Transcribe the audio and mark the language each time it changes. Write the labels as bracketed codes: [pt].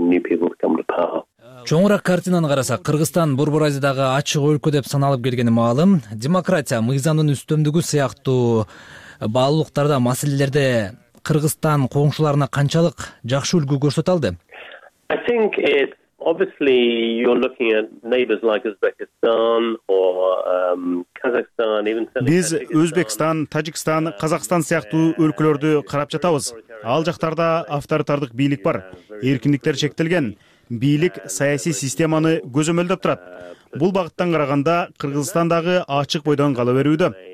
[ky] Чоңураак картинаны карасак, Кыргызстан борбор Азиядагы ачык өлкө деп саналып келгени маалым. Демократия, мыйзамдын үстөмдүгү сыяктуу баалуулуктарда маселелерде Кыргызстан коңшуларына канчалык жакшы үлгү көрсөтө алды? [en] I think it obviously you're looking at neighbors like Uzbekistan or Kazakhstan, even Tajikistan. [ky] Биз Өзбекстан, Тажикстан, Казакстан сыяктуу өлкөлөрдү карап жатабыз. Ал жактарда авторитардык бийлик бар, эркиндиктер чектелген. Бийлик саясий системаны көзөмөлдөп турат. Бул багыттан караганда Кыргызстандагы ачык бойдон кала берүүдө.